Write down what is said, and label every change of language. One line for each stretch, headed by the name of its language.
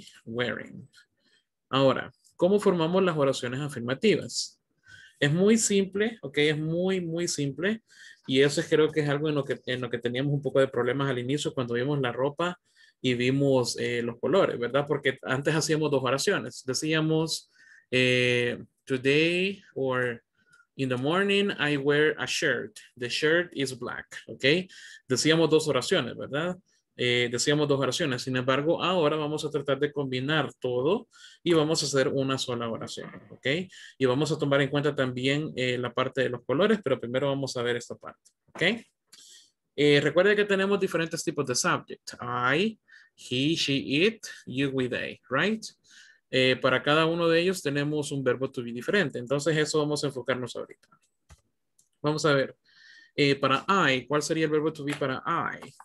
Spanish: Wearing. Ahora, ¿cómo formamos las oraciones afirmativas? Es muy simple, ¿ok? Es muy, muy simple. Y eso creo que es algo en lo que teníamos un poco de problemas al inicio cuando vimos la ropa y vimos los colores, ¿verdad? Porque antes hacíamos dos oraciones. Decíamos,
English: today or in the morning I wear a shirt. The shirt is black,
Spanish: ¿ok? Decíamos dos oraciones, ¿verdad? Sin embargo, ahora vamos a tratar de combinar todo y vamos a hacer una sola oración, ¿ok? Y vamos a tomar en cuenta también la parte de los colores, pero primero vamos a ver esta parte, ¿ok? Recuerde que tenemos diferentes tipos de subject.
English: I, he, she, it, you, we, they, right?
Spanish: Para cada uno de ellos tenemos un verbo to be diferente. Entonces, eso vamos a enfocarnos ahorita. Vamos a ver. Para I, ¿cuál sería el verbo to be para I?